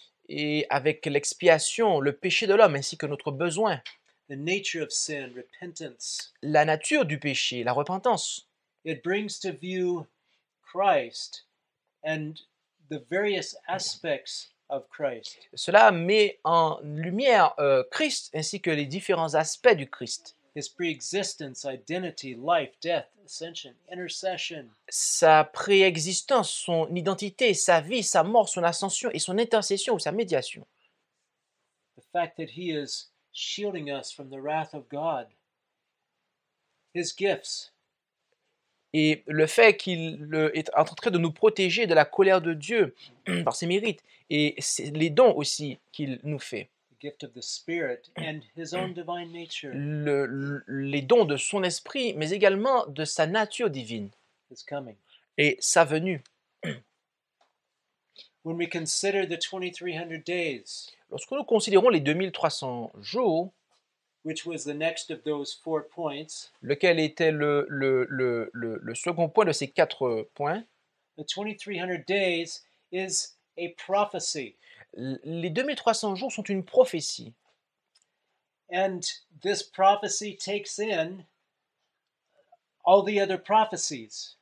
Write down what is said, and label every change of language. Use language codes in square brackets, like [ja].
[fr] Et avec l'expiation, le péché de l'homme ainsi que notre besoin. [en] The nature of sin, repentance. [fr] La nature du péché, la repentance. [en] It brings to view Christ and the various aspects of Christ. [fr] Cela met en lumière Christ ainsi que les différents aspects du Christ. [en] His pre-existence, identity, life, death, ascension, intercession. [fr] Sa préexistence, son identité, sa vie, sa mort, son ascension et son intercession ou sa médiation. [en] The fact that he is shielding us from the wrath of God. His gifts. [fr] Et le fait qu'il est en train de nous protéger de la colère de Dieu par ses mérites et les dons aussi qu'il nous fait. [en] The gift of the Spirit and his own divine nature. [fr] Les dons de son esprit, mais également de sa nature divine. [en] His coming. [fr] Et sa venue. [en] When we consider the 2300 days, [fr] lorsque nous considérons les 2300 jours, [en] which was the next of those four points, [fr] lequel était le second point de ces quatre points? [en] The 2300 days is a prophecy. [fr] Les 2300 jours sont une prophétie. [en] And this prophecy takes in all the other prophecies.